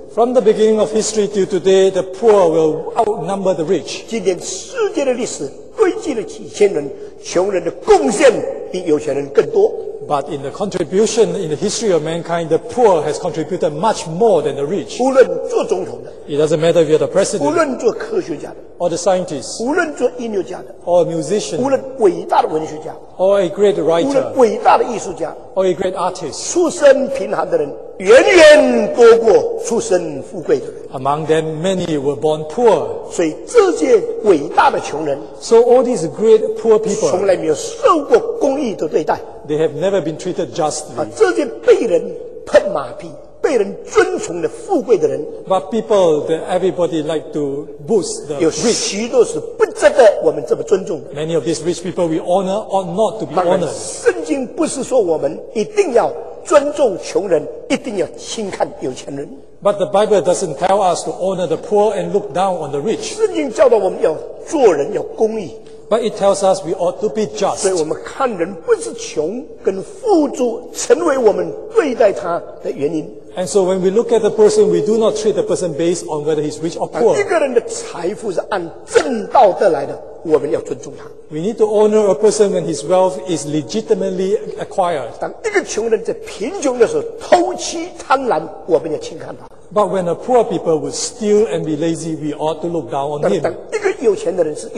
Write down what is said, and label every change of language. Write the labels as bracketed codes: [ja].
[en] From the beginning of history to today, the poor will outnumber the rich. [zh] 今天世界的历史归集了几千人，穷人的贡献比有钱人更多。 [en] But in the contribution in the history of mankind, the poor has contributed much more than the rich. [zh] 无论做总统的, [en] it doesn't matter if you're the president, [zh] 无论做科学家的, [en] or the scientist, [zh] 无论做音乐家的, [en] or a musician, [zh] 无论伟大的文学家, [en] or a great writer, [zh] 无论伟大的艺术家, [en] or a great artist. [zh] 出身贫寒的人, 远远多过出身富贵的人。 [en] Among them, many were born poor. [zh] 所以这些伟大的穷人, [en] so all these great poor people, [zh] 从来没有受过公义的对待。 [en] They have never been treated justly. [zh] 这些被人喷马屁, 被人尊崇的富贵的人, [en] but people that everybody like to boost the rich, [zh] 有许多是不值得我们这么尊重。 [en] Many of these rich people we honor ought not to be honored. [zh] 当然,圣经不是说我们一定要尊重穷人, 一定要轻看有钱人。 [en] But the Bible doesn't tell us to honor the poor and look down on the rich. [zh] 圣经教导我们要做人要公义。 [en] But it tells us we ought to be just. [zh] 所以我们看人不是穷跟富足成为我们对待他的原因。 [en] And so when we look at the person, we do not treat the person based on whether he's rich or poor. [zh] 一个人的财富是按正道的来的，我们要尊重他。 [en] We need to honor a person when his wealth is legitimately acquired. [zh] 当一个穷人在贫穷的时候偷欺贪婪，我们要轻看他。 [en] But when a poor people would steal and be lazy, we ought to look down on him.